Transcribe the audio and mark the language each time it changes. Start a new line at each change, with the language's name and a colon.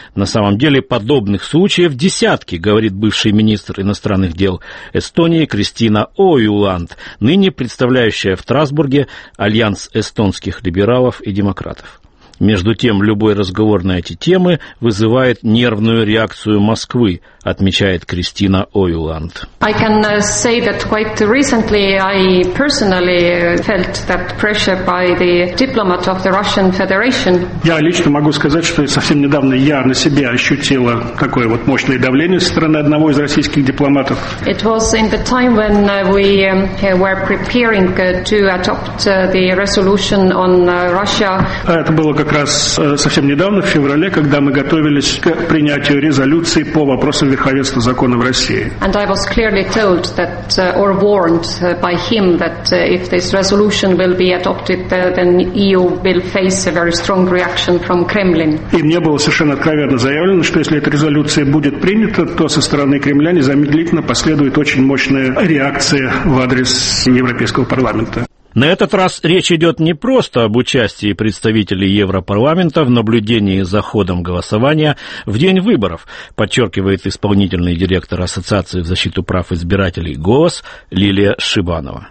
Russian: На самом деле подобных случаев десятки, говорит бывший министр иностранных дел Эстонии Кристина Ойланд, ныне представляющая в Страсбурге Альянс эстонских либералов и демократов. Между тем, любой разговор на эти темы вызывает нервную реакцию Москвы, отмечает Кристина Ойланд.
English: I can say that quite recently I personally felt that pressure by the diplomat of the Russian Federation.
Russian: Я лично могу сказать, что совсем недавно я на себе ощутила такое вот мощное давление со стороны одного из российских дипломатов.
English: It was in the time when we were preparing to adopt the resolution on Russia.
Russian: Это было как раз совсем недавно, в феврале, когда мы готовились к принятию резолюции по вопросам верховенства закона в России.
English: And I was clearly told that, or warned by him that if this resolution will be adopted, then EU will face a very strong reaction from Kremlin.
Russian: И мне было совершенно откровенно заявлено, что если эта резолюция будет принята, то со стороны Кремля незамедлительно последует очень мощная реакция в адрес Европейского парламента. На этот раз речь идет не просто об участии представителей Европарламента в наблюдении за ходом голосования в день выборов, подчеркивает исполнительный директор Ассоциации в защиту прав избирателей «Голос» Лилия Шибанова.